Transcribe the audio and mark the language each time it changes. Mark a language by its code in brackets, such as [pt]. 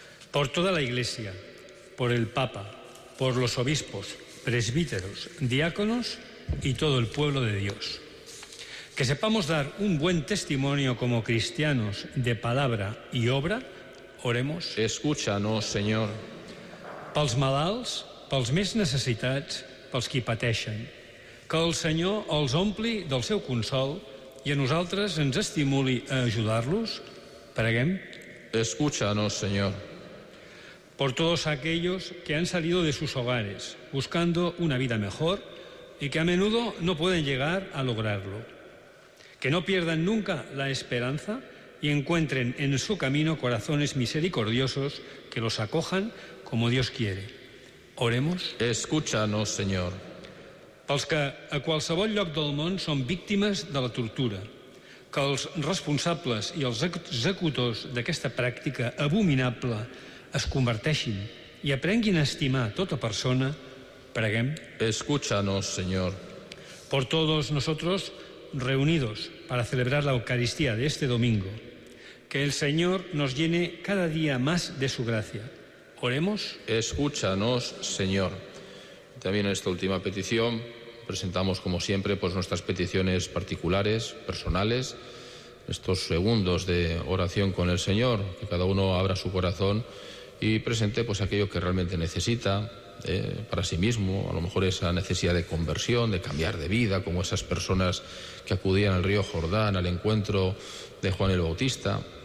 [es] Por toda la Iglesia, por el Papa, por los obispos, presbíteros, diáconos y todo el pueblo de Dios. Que sepamos dar un buen testimonio como cristianos de palabra y obra, oremos. Escúchanos, Señor. [ca] Pels malalts, pels més necessitats, pels qui pateixen. Que el Senyor els ompli del seu consol i a nosaltres ens estimuli a ajudar-los, preguem. [es] Escúchanos, Señor. Por todos aquellos que han salido de sus hogares buscando una vida mejor y que a menudo no pueden llegar a lograrlo. Que no pierdan nunca la esperanza y encuentren en su camino corazones misericordiosos que los acojan como Dios quiere. Oremos. Escúchanos, Señor. [ca] Pels que a qualsevol lloc del món són víctimes de la tortura, que els responsables i els executors d'aquesta pràctica abominable es converteixin i aprenguin a estimar tota persona, preguem. [es] Escúchanos, Señor. Por todos nosotros reunidos para celebrar la Eucaristía de este domingo. Que el Señor nos llene cada día más de su gracia. Oremos. Escúchanos, Señor. También en esta última petición presentamos, como siempre, pues nuestras peticiones particulares, personales, estos segundos de oración con el Señor, que cada uno abra su corazón y presente pues aquello que realmente necesita para sí mismo, a lo mejor esa necesidad de conversión, de cambiar de vida, como esas personas que acudían al río Jordán al encuentro de Juan el Bautista.